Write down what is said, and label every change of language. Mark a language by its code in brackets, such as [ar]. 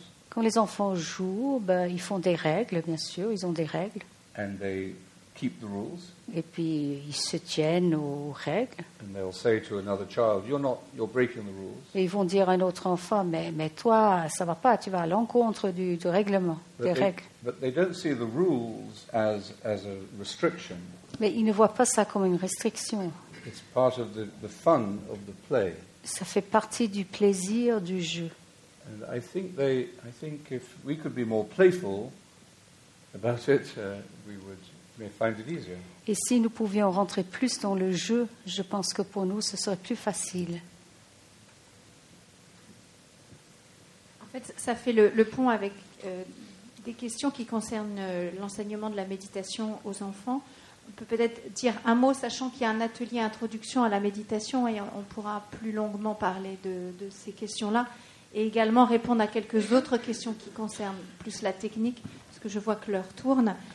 [fr] Quand les enfants jouent, ben, ils font des règles, bien sûr, ils ont des règles. [en] And they keep the rules. [fr] Et puis, ils se tiennent aux règles. [en] And they'll say to another child, you're breaking the rules. [fr] Et ils vont dire à un autre enfant, mais toi, ça ne va pas, tu vas à l'encontre du règlement, des règles. [en] But they don't see the rules as a restriction. [fr] Mais ils ne voient pas ça comme une restriction. [en] It's part of the fun of the play. [fr] Ça fait partie du plaisir du jeu. [en] And I think if we could be more playful about it, we may find it easier. [fr] Et si nous pouvions rentrer plus dans le jeu, je pense que pour nous ce serait plus facile. En fait, ça fait le pont avec des questions qui concernent l'enseignement de la méditation aux enfants. On peut peut-être dire un mot, sachant qu'il y a un atelier introduction à la méditation, et on pourra plus longuement parler de ces questions-là, et également répondre à quelques autres questions qui concernent plus la technique, parce que je vois que l'heure tourne.